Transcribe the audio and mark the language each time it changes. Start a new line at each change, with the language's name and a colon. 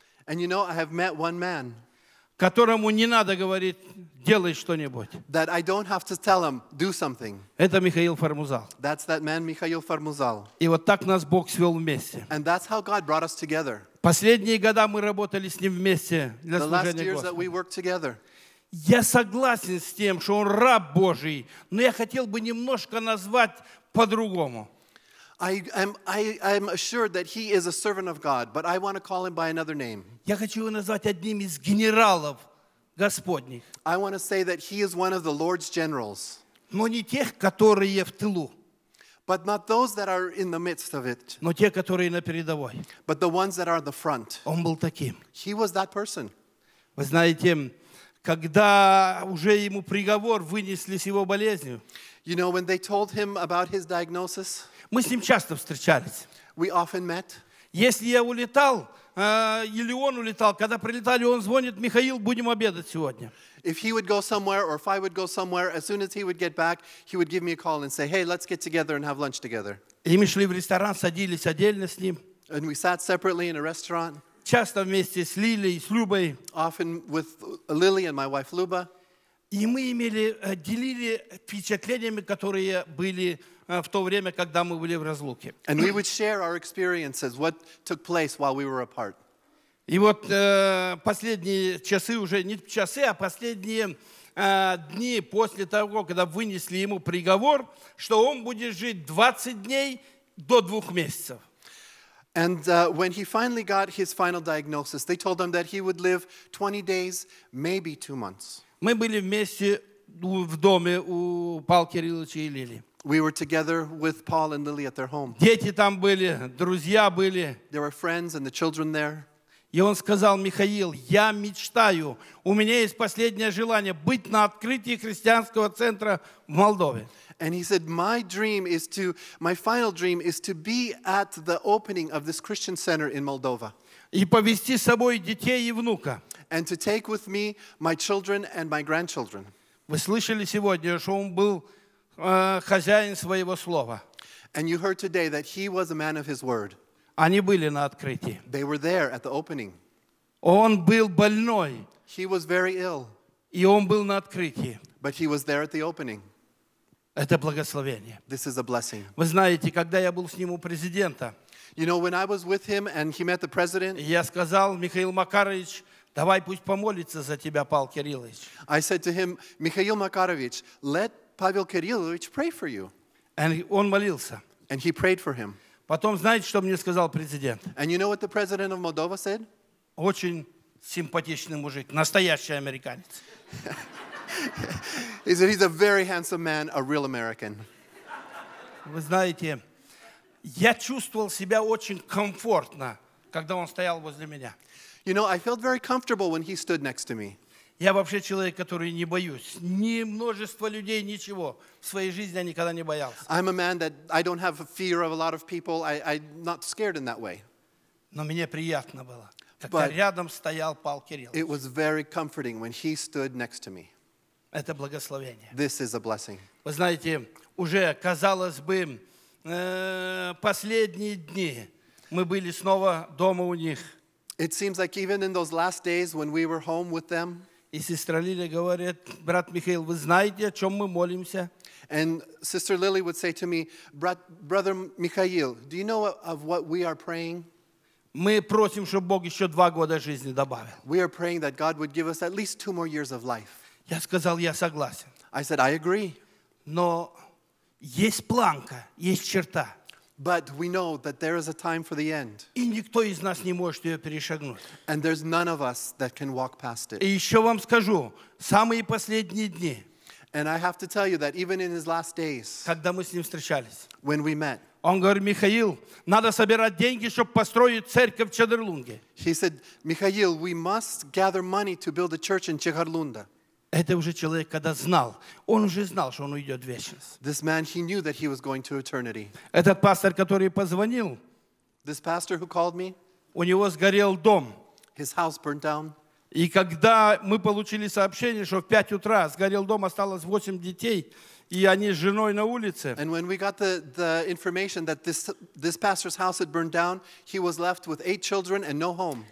English: and you know, I have met one man,
Russian: которому не надо говорить, делай что-нибудь.
English: That I don't have to tell him, do something.
Russian: Это Михаил Формузал.
English: That's that man, Михаил Формузал.
Russian: И вот так нас Бог свел вместе.
English: And that's how God brought us together.
Russian: Последние года мы работали с ним вместе для
English: the
Russian: служения
English: last years
Russian: Господа.
English: That we worked together.
Russian: Я согласен с тем, что он раб Божий, но я хотел бы немножко назвать по-другому.
English: I am assured that he is a servant of God, but I want to call him by another name.
Russian: Я хочу его назвать одним из генералов Господних.
English: I want to say that he is one of the Lord's generals.
Russian: Но не тех, которые в тылу.
English: But not those that are in the midst of it.
Russian: Но те, которые на передовой.
English: But the ones that are in the front.
Russian: Он был таким.
English: He was that person.
Russian: Вы знаете, когда уже ему приговор вынесли с его болезнью.
English: You know, when they told him about his diagnosis.
Russian: Мы с ним часто встречались.
English: We often met.
Russian: Если я улетал, или он улетал, когда прилетали, он звонит, Михаил, будем обедать сегодня.
English: If he would go somewhere, or if I would go somewhere, as soon as he would get back, he would give me a call and say, hey, let's get together and have lunch together.
Russian: И мы шли в ресторан, садились отдельно с ним.
English: And we sat separately in a restaurant.
Russian: Часто вместе с Лилей, с Любой.
English: Often with Lily and my wife Luba.
Russian: И мы имели, делили впечатлениями, которые были в то время, когда мы были в разлуке.
English: And we would share our experiences, what took place while we were apart.
Russian: И вот последние часы уже, не часы, а последние дни после того, когда вынесли ему приговор, что он будет жить 20 дней до 2 месяцев.
English: And when he finally got his final diagnosis, they told him that he would live 20 days, maybe 2 months.
Russian: Мы были вместе в доме у Павла Кирилловича и Лили.
English: We were together with Paul and Lily at their home.
Russian: Дети там были, друзья были.
English: There were friends and the children there.
Russian: И он сказал, Михаил, я мечтаю, у меня есть последнее желание быть на открытии христианского центра в Молдове.
English: And he said, my final dream is to be at the opening of this Christian center in Moldova.
Russian: И повести с собой детей и внука.
English: And to take with me my children and my grandchildren.
Russian: Вы слышали сегодня, что он был хозяин своего слова.
English: And you heard today that he was a man of his word.
Russian: Они были на открытии.
English: They were there at the opening.
Russian: Он был больной.
English: He was very ill.
Russian: И он был на открытии.
English: But he was there at the opening.
Russian: Это благословение.
English: This is a blessing.
Russian: Вы знаете, когда я был с ним у президента,
English: you know, when I was with him and he met the president,
Russian: я сказал, Михаил Макарович, давай пусть помолится за тебя, Павел Кириллович.
English: I said to him, Михаил Макарович, let Павел Кириллович pray for you. And
Russian: он молился.
English: And he prayed for him.
Russian: Потом, знаете, что мне сказал президент?
English: And you know what the president of Moldova said?
Russian: Очень симпатичный мужик, настоящий американец.
English: He said he's a very handsome man, a real American.
Russian: Вы знаете, я чувствовал себя очень комфортно, когда он стоял возле меня.
English: You know, I felt very comfortable when he stood next to me.
Russian: Я вообще человек, который не боюсь. Ни множество людей, ничего. В своей жизни я никогда не боялся.
English: I'm a man that I don't have a fear of a lot of people. I'm not scared in that way.
Russian: Но мне приятно было, когда рядом стоял Павел Кириллович.
English: It was very comforting when he stood next to me.
Russian: Это благословение.
English: This is a blessing.
Russian: Вы знаете, уже, казалось бы, последние дни мы были снова дома у них.
English: It seems like even in those last days when we were home with them.
Russian: И сестра Лили говорит, брат Михаил, вы знаете, о чем мы молимся?
English: And Sister Lily would say to me, Brother Mikhail, do you know of what we are praying?
Russian: Мы просим, чтобы Бог еще два года жизни добавил.
English: We are praying that God would give us at least two more years of life.
Russian: Я сказал, я согласен.
English: I said, I agree.
Russian: Но есть планка, есть черта.
English: But we know that there is a time for the end.
Russian: И никто из нас не может ее перешагнуть.
English: And there's none of us that can walk past it.
Russian: И еще вам скажу, самые последние дни.
English: And I have to tell you that even in his last days.
Russian: Когда мы с ним встречались.
English: When we met.
Russian: Он говорит, Михаил, надо собирать деньги, чтобы построить церковь в Чедерлунге.
English: He said, Михаил, we must gather money to build a church in Чехарлунда.
Russian: Это уже человек, когда знал. Он уже знал, что он уйдет в вечность.
English: This man, he knew that he was going to eternity.
Russian: Этот пастор, который позвонил,
English: this pastor who called me,
Russian: у него сгорел дом.
English: His house burnt down.
Russian: И когда мы получили сообщение, что в 5 утра сгорел дом, осталось 8 детей, и они с женой на улице.
English: And when we got the information that this pastor's house had burned down, he was left with 8 children and no home.